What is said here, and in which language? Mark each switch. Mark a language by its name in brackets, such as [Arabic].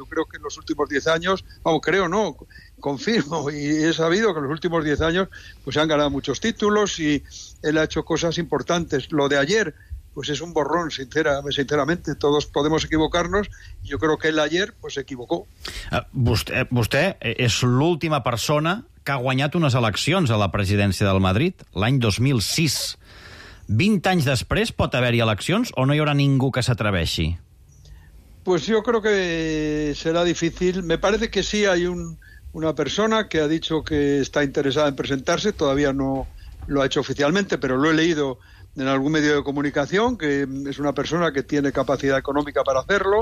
[Spanish] Yo creo que en los últimos 10 años, vamos, creo, no, confirmo, y he sabido que en los últimos 10 años pues han ganado muchos títulos y él ha hecho cosas importantes. Lo de ayer, pues es un borrón, sinceramente, todos podemos equivocarnos, yo creo que él ayer pues se equivocó. [Catalan] Vostè és l'última persona que ha guanyat unes eleccions a la presidència del Madrid l'any 2006. 20 anys després pot haver-hi eleccions o no hi haurà ningú que s'atreveixi? [Spanish] Pues yo creo que será difícil. Me parece que sí hay una persona que ha dicho que está interesada en presentarse, todavía no lo ha hecho oficialmente, pero lo he leído en algún medio de comunicación, que es una persona que tiene capacidad económica para hacerlo.